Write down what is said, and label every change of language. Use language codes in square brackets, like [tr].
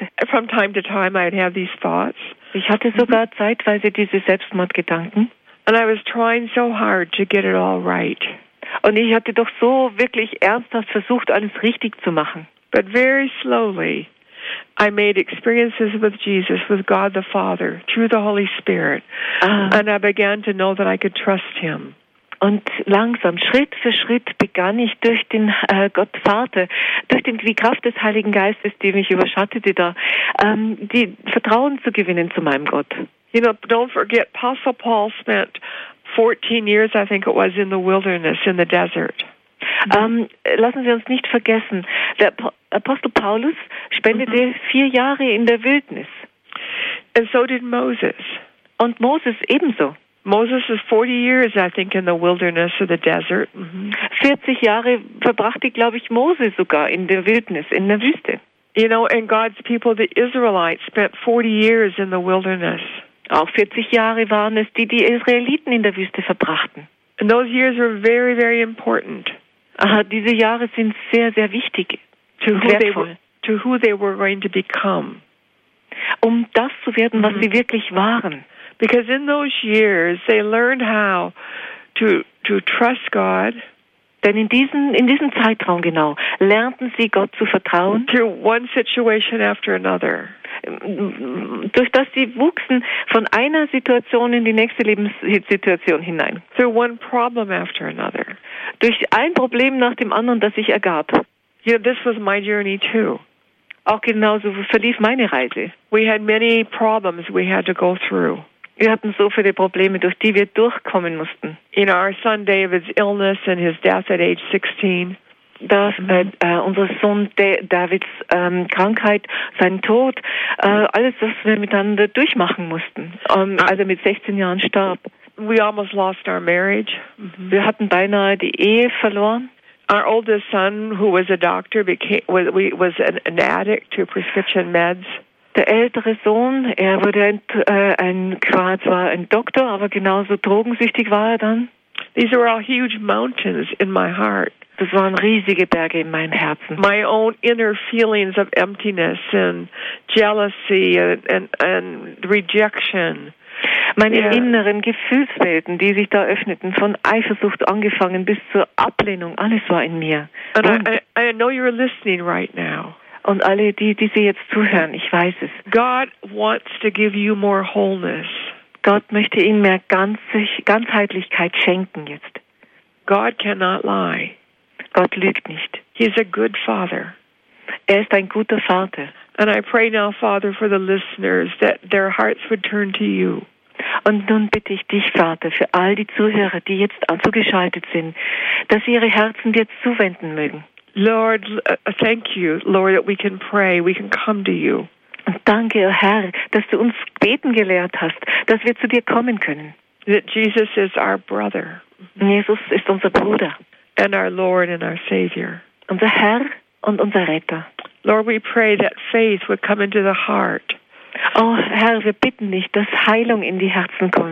[en] From time to time I'd have these thoughts. [de] Ich hatte sogar zeitweise diese Selbstmordgedanken. [en] And I was trying so hard to get it all right. [de] Und ich hatte doch so wirklich ernsthaft versucht, alles richtig zu machen. [en] But very slowly I made experiences with Jesus, with God the Father, through the Holy Spirit. Ah. And I began to know that I could trust him. [de] Und langsam, Schritt für Schritt, begann ich durch den Gott Vater, durch die Kraft des Heiligen Geistes, die mich überschattete da, die Vertrauen zu gewinnen zu meinem Gott. [en] You know, don't forget, Apostle Paul spent 14 years, I think it was, in the wilderness, in the desert. [de] Lassen Sie uns nicht vergessen, der Apostel Paulus spendete 4 Jahre in der Wildnis. [en] And so did Moses. [de] Und Moses ebenso. [en] Moses is 40 years, I think, in the wilderness or the desert. Mm-hmm. [de] 40 Jahre verbrachte, glaube ich, Moses sogar in der Wildnis, in der Wüste. [en] You know, and God's people, the Israelites, spent 40 years in the wilderness. [de] Auch 40 Jahre waren es, die Israeliten in der Wüste verbrachten. [en] And those years were very, very important. [de] Aha, diese Jahre sind sehr, sehr wichtig. [en] To who they were going to become. [de] Um das zu werden, was sie wirklich waren. [en] Because in those years they learned how to trust God. [de] Denn in diesem Zeitraum genau lernten sie Gott zu vertrauen. [en] Through one situation after another. [de] Durch das sie wuchsen von einer Situation in die nächste Lebenssituation hinein. [en] Through one problem after another. [de] Durch ein Problem nach dem anderen, das sich ergab. [en] You know, this was my journey too. [de] Auch genauso verlief meine Reise. [en] We had many problems we had to go through. [de] Wir hatten so viele Probleme, durch die wir durchkommen mussten. [en] In our son David's illness and his death at age 16. [de] Unser Sohn Davids Krankheit, sein Tod, alles, was wir miteinander durchmachen mussten, als er mit 16 Jahren starb. [en] We almost lost our marriage. Mm-hmm. [de] Wir hatten beinahe die Ehe verloren. [en] Our oldest son, who was a doctor, was an addict to prescription meds. [de] Der ältere Sohn, er wurde zwar ein Doktor, aber genauso drogensüchtig war er dann. [en] These were all huge mountains in my heart. [de] Das waren riesige Berge in meinem Herzen. [en] My own inner feelings of emptiness and jealousy and rejection. [de] Meine inneren Gefühlswelten, die sich da öffneten, von Eifersucht angefangen bis zur Ablehnung, alles war in mir. [en] And I know you're listening right now. [de] Und alle, die Sie jetzt zuhören, ich weiß es. [en] God wants to give you more wholeness. [de] Gott möchte Ihnen mehr Ganzheitlichkeit schenken jetzt. [en] God cannot lie. [de] Gott lügt nicht. [en] He's a good father. [de] Er ist ein guter Vater. [en] And I pray now, Father, for the listeners, that their hearts would turn to you. [de] Und nun bitte ich dich, Vater, für all die Zuhörer, die jetzt zugeschaltet sind, dass sie ihre Herzen dir zuwenden mögen. [en] Lord, thank you, Lord, that we can pray, we can come to you. [de] Und danke, Herr, dass du uns beten gelehrt hast, dass wir zu dir kommen können. [en] That Jesus is our brother. [de] Jesus ist unser Bruder. [en] And our Lord and our Savior. [de] Unser Herr und unser Retter. [en] Lord, we pray that faith would come into the heart. [de] Oh, Herr, wir bitten dich, dass Heilung in die Herzen kommen